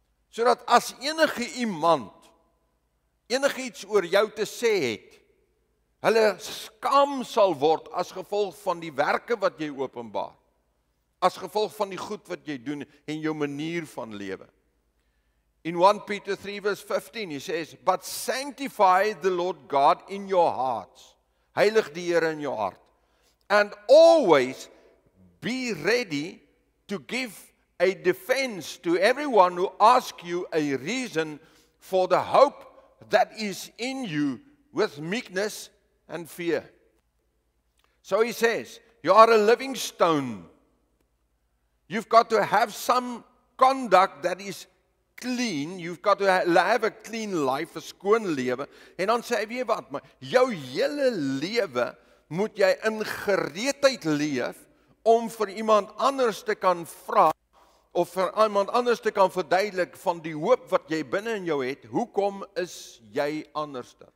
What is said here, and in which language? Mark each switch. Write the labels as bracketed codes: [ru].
[af] Sodat as enige iemand enigiets oor jou te sê het, hulle skaam sal word as gevolg van die werke wat jy openbaar, as gevolg van die goed wat jy doen en jou manier van lewe. [en] In 1 Peter 3 verse 15 he says, "But sanctify the Lord God in your hearts." [af] Heilig die Here in jou hart. [en] "And always be ready to give a defense to everyone who asks you a reason for the hope that is in you with meekness and fear." So he says, you are a living stone. You've got to have some conduct that is clean. You've got to have a clean life, a [af] skoon lewe. En dan sê hy wat, maar jou hele lewe moet jy in gereedheid leef om vir iemand anders te kan vra of vir iemand anders te kan verduidelik van die hoop wat jy binne in jou het. Hoekom is jy anders?